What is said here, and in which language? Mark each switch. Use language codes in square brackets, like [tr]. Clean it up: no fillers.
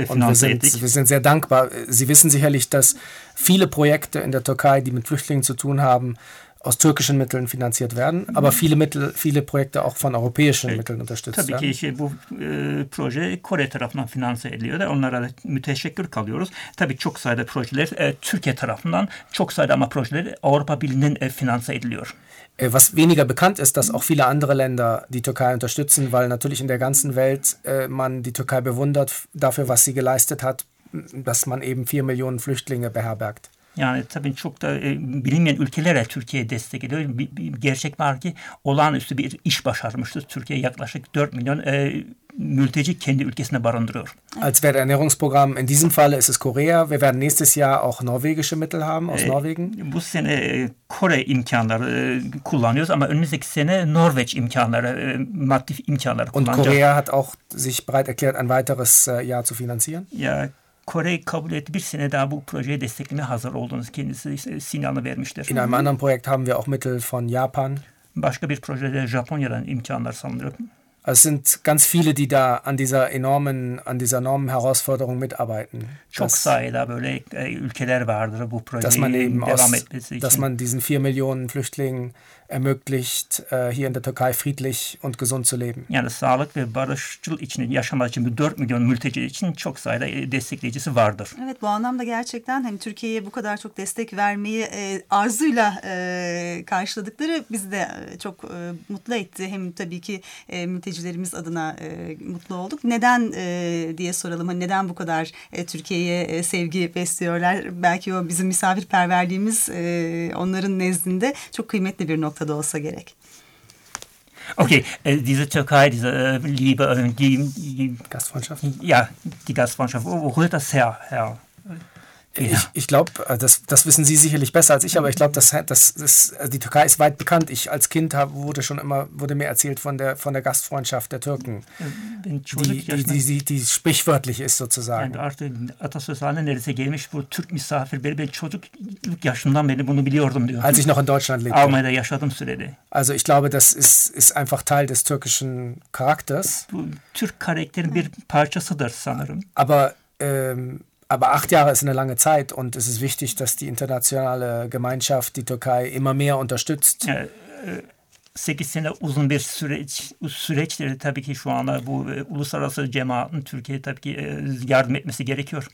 [de] Und wir sind sehr dankbar. Sie wissen sicherlich, dass viele Projekte in der Türkei, die mit Flüchtlingen zu tun haben, aus türkischen Mitteln finanziert werden, aber viele Projekte auch von europäischen Mitteln unterstützt werden. [tr] Tabii ki bu proje Kore tarafından finanse ediliyor da onlara da müteşekkir kalıyoruz. Tabii çok sayıda projeler Türkiye tarafından, çok sayıda ama projeler Avrupa Birliği'nin finanse ediliyor. [de] Was weniger bekannt ist, dass auch viele andere Länder die Türkei unterstützen, weil natürlich in der ganzen Welt man die Türkei bewundert dafür, was sie geleistet hat, dass man eben 4 Millionen Flüchtlinge beherbergt. [tr] Yani tabii çok da bilinmeyen ülkelerle Türkiye'yi destek ediyor. Gerçek var ki olağanüstü bir iş başarmıştı. Türkiye yaklaşık 4 milyon mülteci kendi ülkesine barındırıyor. [de] Als wäre Ernährungsprogramm in diesem Falle ist es Korea. Wir werden nächstes Jahr auch norwegische Mittel haben aus Norwegen. [tr] Bu sene Kore imkanları kullanıyoruz ama önümüzdeki sene Norveç imkanları, maddi imkanları kullanacağız. [de] Und Korea hat auch sich bereit erklärt, ein weiteres Jahr zu finanzieren? [tr] Ja. Kore'yi kabul etti. Bir sene daha bu projeye desteklemeye hazır olduğunuz kendisi sinyalını vermiştir. [de] In einem anderen Projekt haben wir auch Mittel von Japan. [tr] Başka bir projede Japonya'dan imkanlar sanırım. [de] Es sind ganz viele, die da an dieser enormen Herausforderung mitarbeiten. [tr] Çok sayıda böyle ülkeler vardır bu projeyi devam etmesi için. [de] Dass man diesen 4 Millionen Flüchtlingen ermöglicht, hier in der Türkei friedlich und gesund zu leben. [tr] Yani sağlık ve barışçıl için, yaşamak için 4 milyon mülteci için çok sayıda destekleyicisi vardır. Evet, bu anlamda gerçekten hani Türkiye'ye bu kadar çok destek vermeyi arzuyla karşıladıkları bizi de çok mutlu etti. Hem tabii ki mültecilerimiz adına mutlu olduk. Neden diye soralım. Hani neden bu kadar Türkiye'ye sevgi besliyorlar? Belki o bizim misafirperverliğimiz onların nezdinde çok kıymetli bir noktada olsa gerek. [de] Okay, diese Türkei, diese Liebe, die Gastfreundschaft. Ja, die Gastfreundschaft. Wo rührt das her? Ja. Ich glaube, das wissen Sie sicherlich besser als ich, aber ich glaube, die Türkei ist weit bekannt. Ich als Kind wurde mir erzählt von der Gastfreundschaft der Türken, die sprichwörtlich ist sozusagen. [tr] Yani artık atasözlerine neredeyse gelmiş bu Türk misafir, ben çocukluk yaşından beri bunu biliyordum diyor. [de] Als ich noch in Deutschland lebte. [tr] Almanya'da yaşadım sürede. [de] Also ich glaube, das ist einfach Teil des türkischen Charakters. [tr] Bu Türk karakterin bir parçasıdır sanırım. [de] Aber 8 Jahre ist eine lange Zeit und es ist wichtig, dass die internationale Gemeinschaft die Türkei immer mehr unterstützt. [tr] 8 sene uzun bir süreçleri tabii ki şu anda bu uluslararası cemaatin Türkiye'ye tabii ki yardım etmesi gerekiyor.